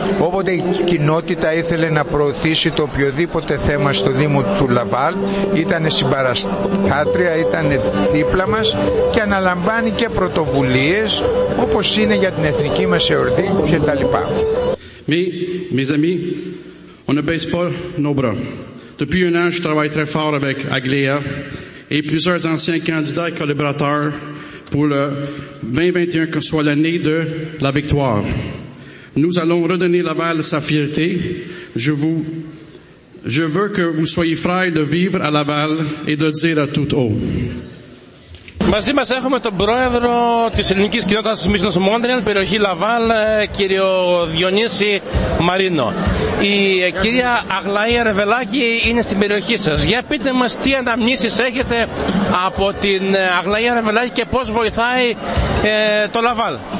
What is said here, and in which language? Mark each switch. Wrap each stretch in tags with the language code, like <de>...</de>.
<el>Όποτε η κοινότητα ήθελε να προωθήσει το οποιοδήποτε θέμα στο Δήμο του Λαβάλ, ήταν συμπαραστάτρια, ήταν δίπλα μας και αναλαμβάνει και πρωτοβουλίες, όπως είναι για την εθνική μας εορτή κτλ.</el> <fr>Mes amis, on ne baisse pas nos bras. Depuis un an, je travaille très fort avec Aglaia et plusieurs anciens candidats et collaborateurs pour le 2021, que soit l'année de la victoire. Nous allons redonner Laval sa fierté. Je veux que vous soyez fiers de vivre à Laval et de dire à tout haut.</fr> <el>Μαζί μας έχουμε τον πρόεδρο της ελληνικής κοινότητας της Μίσνος Μόντρεαλ, περιοχή Λαβάλ, κύριο Διονύση Μαρίνο. Η κυρία Αγλαία Ρεβελάκη είναι στην περιοχή σας. Για πείτε μας τι αναμνήσεις έχετε από την Αγλαία Ρεβελάκη και πώς βοηθάει το Λαβάλ.</el>